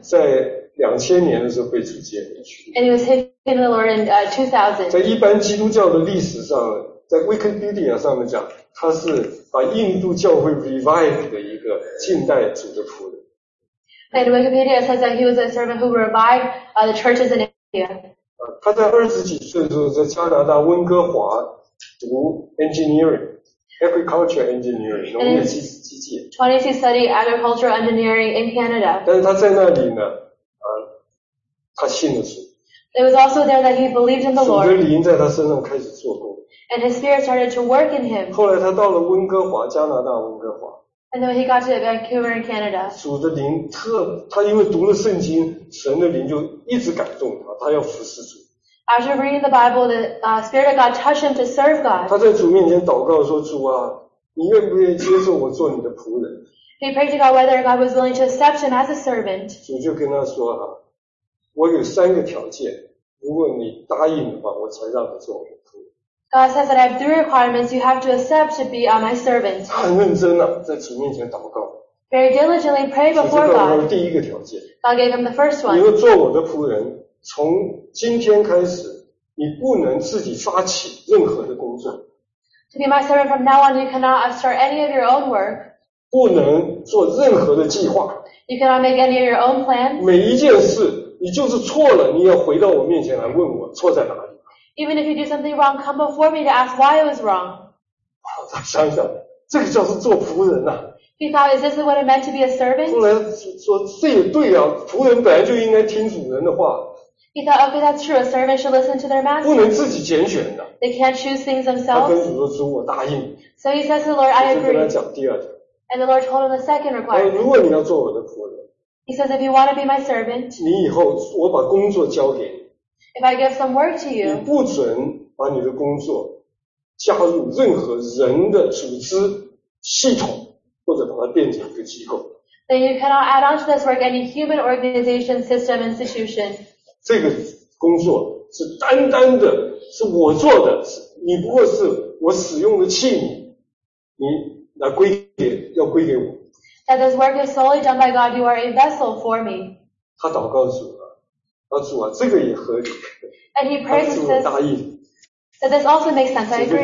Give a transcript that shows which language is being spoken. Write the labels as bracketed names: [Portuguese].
[Chinese] 在2000年的时候被主接回去。 [English] And he was saved in the Lord in 2000. [Chinese] 在一般基督教的历史上，在 Wikipedia 上面讲，他是把印度教会 revive 的一个近代主的仆人。 [English] And Wikipedia says that he was a servant who revived the churches in India. [Chinese] 他在二十几岁的时候在加拿大温哥华读 agriculture engineering, 农业机械。 [English] 20 to study agricultural engineering in Canada. [Chinese] 但是他在那里呢，他信了主。 [English] It was also there that he believed in the Lord. [Chinese] 主的灵在他身上开始做工。 [English] And his spirit started to work in him. [Chinese] 后来他到了温哥华，加拿大温哥华。 [English] And then he got to Vancouver in Canada. [Chinese] 主的灵特，他因为读了圣经，神的灵就一直感动他，他要服侍主。 [English] After reading the Bible, the spirit of God touched him to serve God. [Chinese] 他在主面前祷告说：“主啊，你愿不愿意接受我做你的仆人？” [English] He prayed to God whether God was willing to accept him as a servant. [Chinese] 主就跟他说：“啊，我有三个条件，如果你答应的话，我才让你做。” [English] God says that I have three requirements you have to accept to be my servant. [Chinese] 他很认真啊，在主面前祷告。 [English] Very diligently pray before God. [Chinese] 这是第一个条件。 [English] God gave him the first one. [Chinese] 你要做我的仆人，从今天开始，你不能自己发起任何的工作。 [English] To be my servant from now on, you cannot start any of your own work. [Chinese] 不能做任何的计划。 [English] You cannot make any of your own plans. [Chinese] 每一件事，你就是错了，你要回到我面前来问我错在哪里。 [English] Even if you do something wrong, come before me to ask why it was wrong. [Chinese] 他想想，这个叫是做仆人呐。 [English] He thought, is this what it meant to be a servant? [Chinese] 后来说这也对啊，仆人本来就应该听主人的话。 [English] He thought, okay, that's true. A servant should listen to their master. [Chinese] 不能自己拣选的。 [English] They can't choose things themselves. [Chinese] 他跟主说：“主，我答应。” [English] So he says to the Lord, I agree. [Chinese] 跟他讲第二条。 [English] And the Lord told him the second requirement. [Chinese] 如果你要做我的仆人。 [English] He says, if you want to be my servant. [Chinese] 你以后我把工作交给你。 [English] If I give some work to you, [Chinese] 你不准把你的工作加入任何人的组织系统，或者把它变成一个机构。 [English] Then you cannot add on to this work any human organization, system, institution. [Chinese] 这个工作是单单的，是我做的，你不过是我使用的器皿，你来归给，要归给我。 [English] That this work is solely done by God, you are a vessel for me. [Chinese] 他祷告主了。主啊，这个也合理。 [English] And he prays and says, [Chinese] 他答应。 [English] That this also makes sense. I agree.